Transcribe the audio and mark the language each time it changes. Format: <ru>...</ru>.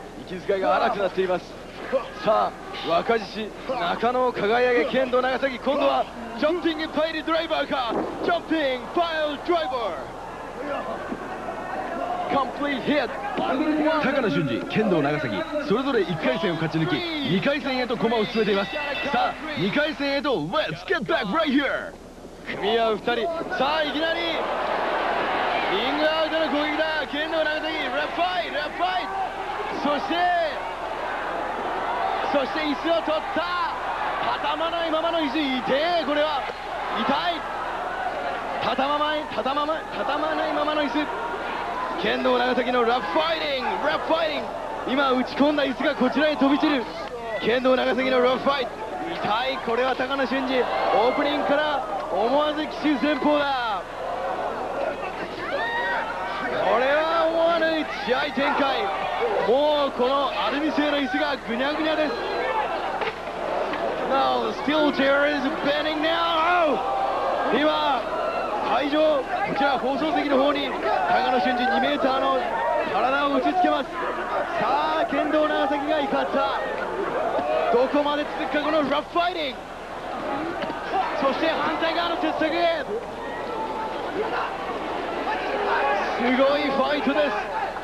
<ja>息遣いが荒くなっています。さあ、若獅子中野を輝け剣道長崎、今度はジャンピングパイルドライバーか。ジャンピングパイルドライバー、コンプリートヒット。高野俊二、剣道長崎、それぞれ1回戦を勝ち抜き、2回戦へと駒を進めています。さあ、2回戦へと、 Let's get back right here。組み合う2人、さあ、いきなりリングアウトの攻撃だ。剣道長崎、レッファイレッファイ、そして椅子を取った。畳まないままの椅子、痛え、これは痛い。畳まないままの椅子。剣道長崎のラップファイティング、ラップファイティング。今打ち込んだ椅子がこちらへ飛び散る。剣道長崎のラップファイト、痛い。これは高野俊二、オープニングから思わず奇襲戦法だ。これは思わぬ一撃。試合展開、もうこのアルミ製の椅子がぐにゃぐにゃです。</ja> <en>Now the steel chair is bending now、oh!</en> <ja>今会場、こちら放送席の方に高野俊二2メーターの体を打ちつけます。さあ剣道長崎が怒った、どこまで続くかこのラフファイティング。そして反対側の鉄柵へ、すごいファイトです。</ja>